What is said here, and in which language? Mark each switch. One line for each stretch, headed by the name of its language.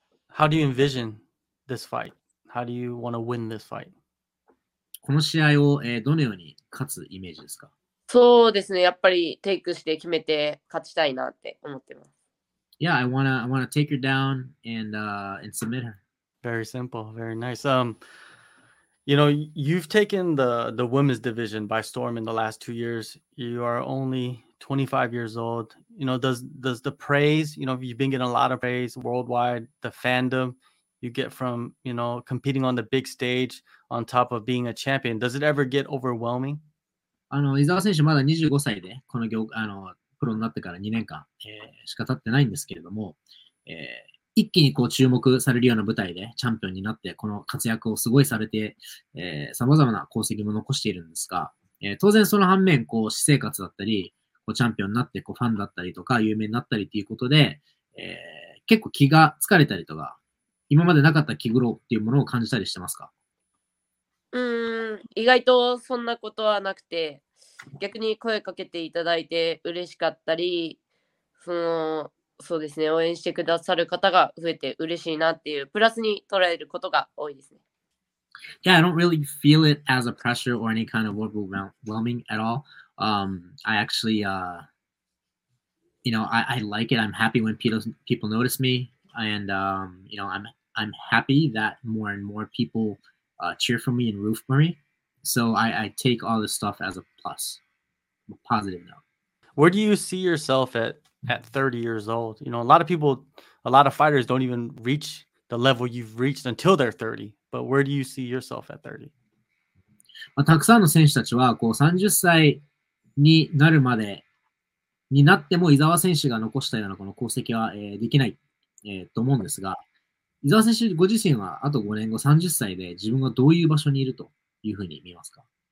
English: How do you envision this fight? How do you want to win this fight?
Japanese: この試合を、どのように勝つイメージですか？そうですね、やっぱりテイクして決めて勝ちたいなって思ってます。
English: Yeah, I wanna take her down and submit her. Very simple, very nice. You know, you've taken the women's division by storm in the last 2 years. You are only 25 years old. You know, does the praise, you know, you've been getting a lot of praise worldwide, the fandom you get from, you know, competing on the big stage on top of being a champion, does it ever get overwhelming?
Japanese: あの、伊沢選手まだ25歳でこの業あのプロになってから2年間、しか経ってないんですけれども、一気にこう注目されるような舞台でチャンピオンになってこの活躍をすごいされて、様々な功績も残しているんですが、当然その反面こう私生活だったりこうチャンピオンになってこうファンだったりとか有名になったりということで、結構気が疲れたりとか今までなかった気苦労っていうものを感じたりしてますか？意外とそんなことはなくて、逆に声かけていただいて嬉しかったり、そうですね、応援してくださる方が増えて嬉しいなっていうプラスに捉えることが多いですね。
English: Yeah, I don't really feel it as a pressure or any kind of overwhelming at all. I actually, you know, I like it. I'm happy when people notice me, and you know, I'm happy that more and more people cheer for me and root for me. So I take all this stuff as a plus, a positive note. Where do you see yourself at 30 years old? You know, a lot of fighters don't even reach the level you've reached until they're 30. But where do you see yourself at 30?
Japanese: まあ、たくさんの選手たちはこう30歳になるまでになっても伊沢選手が残したようなこの功績は、できない、と思うんですが、伊沢選手ご自身はあと5年後30歳で自分はどういう場所にいるというふうに見ますか？